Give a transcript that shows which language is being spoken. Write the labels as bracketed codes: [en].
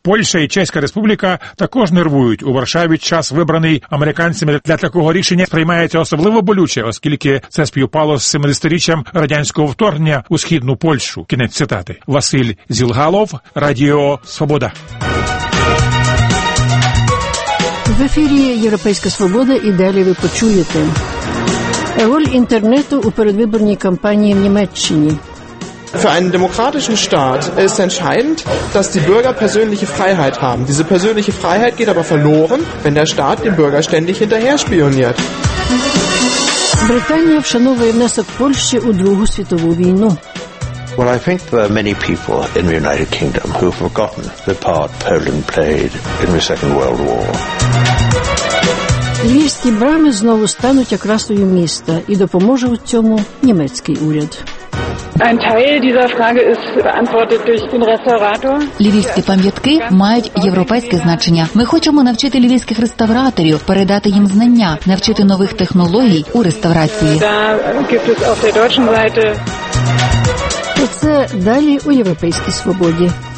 [uk] Польща і Чеська Республіка також нервують. У Варшаві час, вибраний американцями для такого рішення, сприймається особливо болюче, оскільки це співпало з 70-річчям радянського вторгнення у Східну Польщу. Кінець цитати. Василь Зілгалов, Радіо Свобода. В ефірі «Європейська свобода» і далі ви почуєте. Роль інтернету у передвиборній кампанії в Німеччині. [de] Für einen demokratischen Staat ist entscheidend, dass die Bürger persönliche Freiheit haben. Diese persönliche Freiheit geht aber verloren, wenn der Staat den Bürger ständig hinterher spioniert. [uk] Британія вшановує внесок Польщі у Другу світову війну. [en] Well, I think there are many people in the United Kingdom who have forgotten the part Poland played in the Second World War. [uk] Львівські брами знову стануть окрасою міста, і допоможе у цьому німецький уряд. [de] Ein Teil dieser Frage ist beantwortet durch den Restaurator. [uk] Львівські пам'ятки мають європейське значення. Ми хочемо навчити львівських реставраторів передати їм знання, навчити нових технологій у реставрації. [de] Da gibt es auf der deutschen Seite. [uk] Це далі у Європейській Свободі.